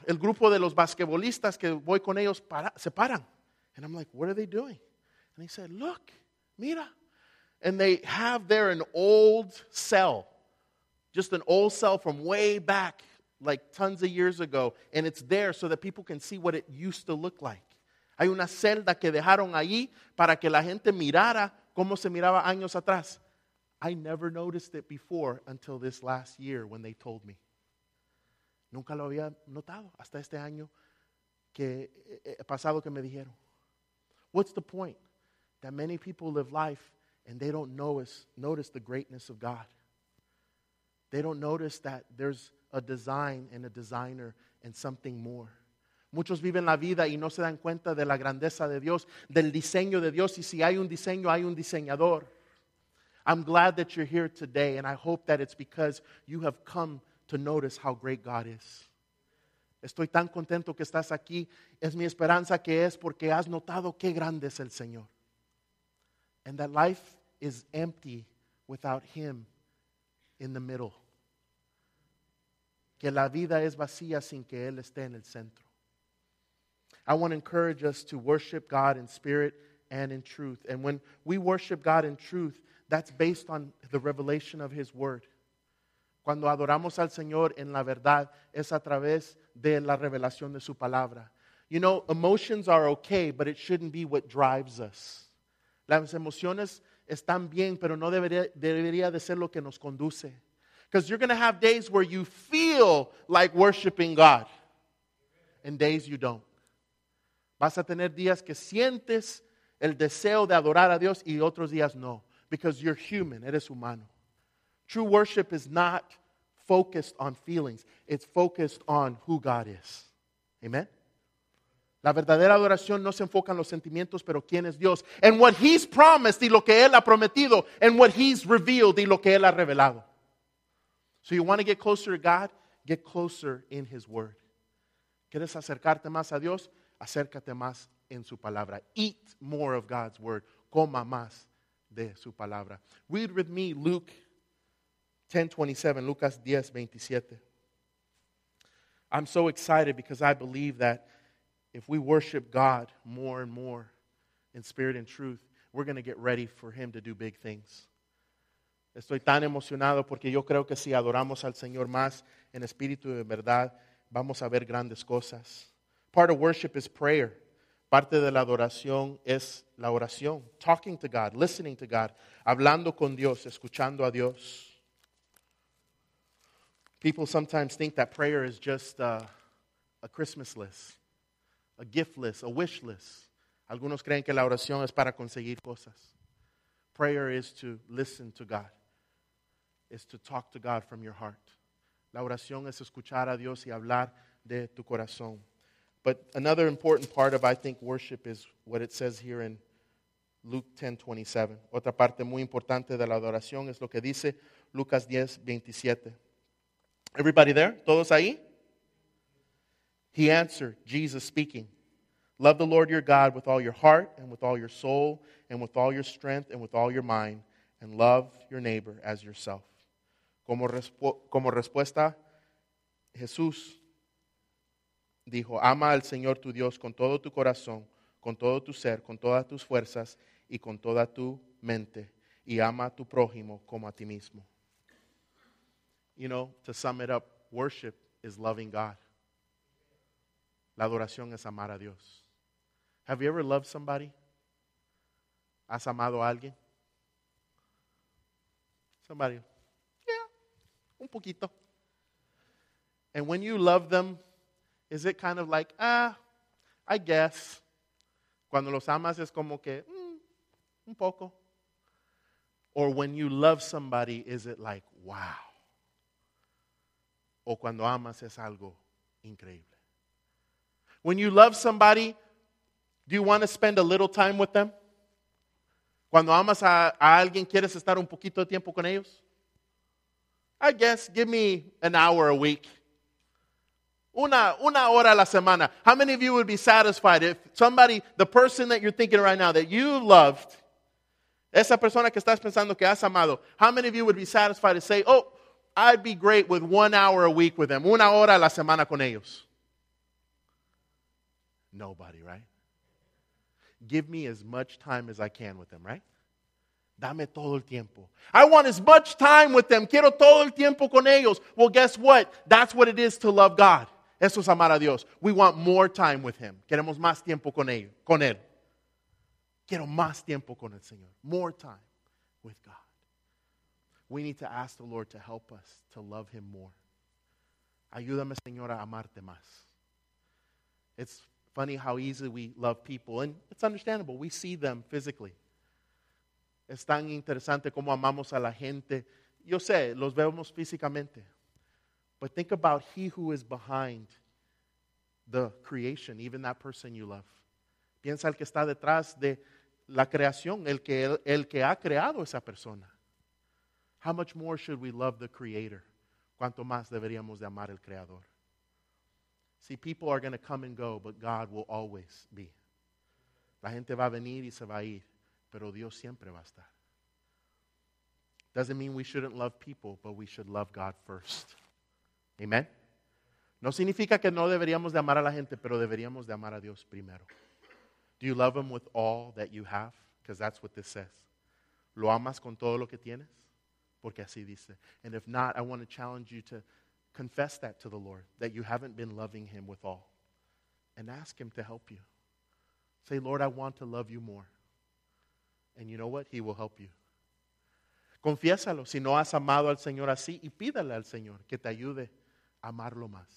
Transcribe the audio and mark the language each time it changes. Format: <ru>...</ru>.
<es>El grupo de los basquetbolistas que voy con ellos se paran.</es> <en>And I'm like, what are they doing? And he said, look,</en> <es>mira.</es> <en>And they have there an old cell. Just an old cell from way back, like tons of years ago. And it's there so that people can see what it used to look like.</en> <es>Hay una celda que dejaron ahí para que la gente mirara cómo se miraba años atrás.</es> <en>I never noticed it before until this last year when they told me.</en> <es>Nunca lo había notado hasta este año que pasado que me dijeron.</es> <en>What's the point? That many people live life and they don't notice the greatness of God. They don't notice that there's a design and a designer and something more.</en> <es>Muchos viven la vida y no se dan cuenta de la grandeza de Dios, del diseño de Dios. Y si hay un diseño, hay un diseñador.</es> <en>I'm glad that you're here today, and I hope that it's because you have come to notice how great God is.</en> <es>Estoy tan contento que estás aquí. Es mi esperanza que es porque has notado qué grande es el Señor.</es> <en>And that life is empty without Him in the middle.</en> <es>Que la vida es vacía sin que Él esté en el centro.</es> <en>I want to encourage us to worship God in spirit and in truth. And when we worship God in truth, that's based on the revelation of His word.</en> <es>Cuando adoramos al Señor en la verdad, es a través de la revelación de su palabra.</es> <en>You know, emotions are okay, but it shouldn't be what drives us.</en> <es>Las emociones están bien, pero no debería de ser lo que nos conduce.</es> <en>Because you're going to have days where you feel like worshiping God, and days you don't.</en> <es>Vas a tener días que sientes el deseo de adorar a Dios y otros días no.</es> <en>Because you're human,</en> <es>eres humano.</es> <en>True worship is not focused on feelings. It's focused on who God is. Amen?</en> <es>La verdadera adoración no se enfoca en los sentimientos, pero quién es Dios.</es> <en>And what He's promised,</en> <es>y lo que Él ha prometido.</es> <en>And what He's revealed,</en> <es>y lo que Él ha revelado.</es> <en>So you want to get closer to God? Get closer in His Word.</en> <es>¿Quieres acercarte más a Dios? Acércate más en su palabra.</es> <en>Eat more of God's Word.</en> <es>Coma más de su palabra.</es> <en>Read with me Luke 10:27.</en> <es>Lucas 10:27.</es> <en>I'm so excited because I believe that if we worship God more and more in spirit and truth, we're going to get ready for Him to do big things.</en> <es>Estoy tan emocionado porque yo creo que si adoramos al Señor más en espíritu y en verdad, vamos a ver grandes cosas.</es> <en>Part of worship is prayer.</en> <es>Parte de la adoración es la oración.</es> <en>Talking to God, listening to God,</en> <es>hablando con Dios, escuchando a Dios.</es> <en>People sometimes think that prayer is just a Christmas list, a gift list, a wish list.</en> <es>Algunos creen que la oración es para conseguir cosas.</es> <en>Prayer is to listen to God. It's to talk to God from your heart.</en> <es>La oración es escuchar a Dios y hablar de tu corazón.</es> <en>But another important part of, I think, worship is what it says here in Luke 10:27.</en> <es>Otra parte muy importante de la adoración es lo que dice Lucas 10:27.</es> <en>Everybody there?</en> <es>¿Todos ahí?</es> <en>He answered, Jesus speaking, love the Lord your God with all your heart and with all your soul and with all your strength and with all your mind, and love your neighbor as yourself.</en> <es>Como respuesta, Jesús dijo, ama al Señor tu Dios con todo tu corazón, con todo tu ser, con todas tus fuerzas y con toda tu mente, y ama a tu prójimo como a ti mismo.</es> <en>You know, to sum it up, worship is loving God.</en> <es>La adoración es amar a Dios.</es> <en>Have you ever loved somebody?</en> <es>¿Has amado a alguien?</es> <en>Somebody. Yeah,</en> <es>un poquito.</es> <en>And when you love them, is it kind of like, I guess.</en> <es>Cuando los amas es como que, un poco.</es> <en>Or when you love somebody, is it like, wow.</en> <es>O cuando amas es algo increíble.</es> <en>When you love somebody, do you want to spend a little time with them?</en> <es>Cuando amas a alguien, ¿quieres estar un poquito de tiempo con ellos?</es> <en>I guess, give me an hour a week.</en> <es>Una hora a la semana.</es> <en>How many of you would be satisfied if somebody, the person that you're thinking right now, that you loved,</en> <es>esa persona que estás pensando que has amado,</es> <en>how many of you would be satisfied to say, oh, I'd be great with 1 hour a week with them,</en> <es>una hora a la semana con ellos?</es> <en>Nobody, right? Give me as much time as I can with them, right?</en> <es>Dame todo el tiempo.</es> <en>I want as much time with them.</en> <es>Quiero todo el tiempo con ellos.</es> <en>Well, guess what? That's what it is to love God.</en> <es>Eso es amar a Dios.</es> <en>We want more time with Him.</en> <es>Queremos más tiempo con él. Quiero más tiempo con el Señor.</es> <en>More time with God. We need to ask the Lord to help us to love Him more.</en> <es>Ayúdame, Señor, a amarte más.</es> <en>It's funny how easily we love people, and it's understandable. We see them physically.</en> <es>Es tan interesante cómo amamos a la gente. Yo sé, los vemos físicamente.</es> <en>But think about He who is behind the creation, even that person you love.</en> <es>Piensa el que está detrás de la creación, el que ha creado esa persona.</es> <en>How much more should we love the Creator?</en> <es>¿Cuánto más deberíamos de amar el Creador?</es> <en>See, people are going to come and go, but God will always be.</en> <es>La gente va a venir y se va a ir, pero Dios siempre va a estar.</es> <en>Doesn't mean we shouldn't love people, but we should love God first. Amen?</en> <es>No significa que no deberíamos de amar a la gente, pero deberíamos de amar a Dios primero.</es> <en>Do you love Him with all that you have? Because that's what this says.</en> <es>¿Lo amas con todo lo que tienes? Porque así dice.</es> <en>And if not, I want to challenge you to confess that to the Lord, that you haven't been loving Him with all. And ask Him to help you. Say, Lord, I want to love you more. And you know what? He will help you.</en> <es>Confiésalo si no has amado al Señor así, y pídale al Señor que te ayude a amarlo más.</es>